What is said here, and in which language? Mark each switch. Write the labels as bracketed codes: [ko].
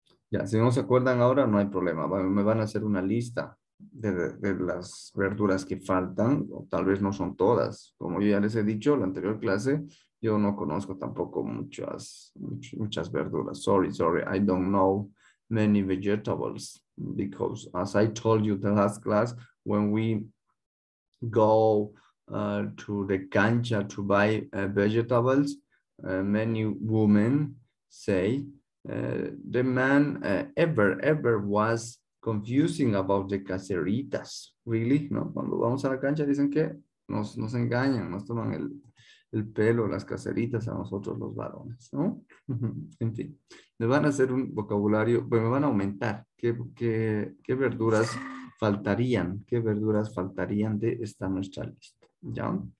[es] Ya, si no se acuerdan ahora, no hay problema. Me van a hacer una lista de las verduras que faltan, o tal vez no son todas. Como yo ya les he dicho en la anterior clase, yo no conozco tampoco muchas verduras. [en] Sorry, sorry, I don't know many vegetables. Because, as I told you the last class, when we go to the cancha to buy vegetables, many women say the man ever was confusing about the caseritas. Really, ¿no? [es] Cuando vamos a la cancha dicen que nos engañan, nos toman el pelo, las caseritas a nosotros los varones, ¿no? En fin, me van a hacer un vocabulario, pues me van a aumentar. ¿Qué verduras faltarían? ¿Qué verduras faltarían de esta nuestra lista? ¿Ya?